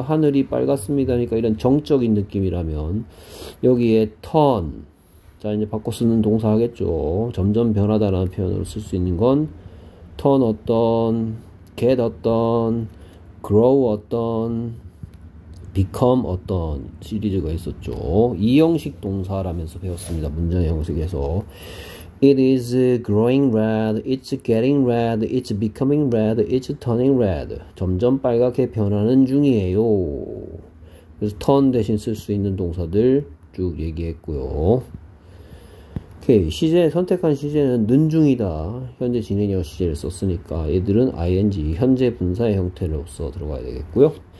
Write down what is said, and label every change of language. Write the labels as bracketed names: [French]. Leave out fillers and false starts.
[Korean] 하늘이 빨갛습니다니까 이런 정적인 느낌이라면 여기에 turn 자 이제 바꿔 쓰는 동사 하겠죠. 점점 변하다라는 표현으로 쓸수 있는 건 turn 어떤, get 어떤, grow 어떤 become 어떤 시리즈가 있었죠. 이형식 동사라면서 배웠습니다. 문장의 형식에서. [English] It is growing red, it's getting red, it's becoming red, it's turning red. [Korean] 점점 빨갛게 변하는 중이에요. 그래서 turn 대신 쓸수 있는 동사들 쭉 얘기했고요. 오케이. 시제, 선택한 시제는 는 중이다. 현재 진행형 시제를 썼으니까 얘들은 ing, 현재 분사의 형태로서 들어가야 되겠고요.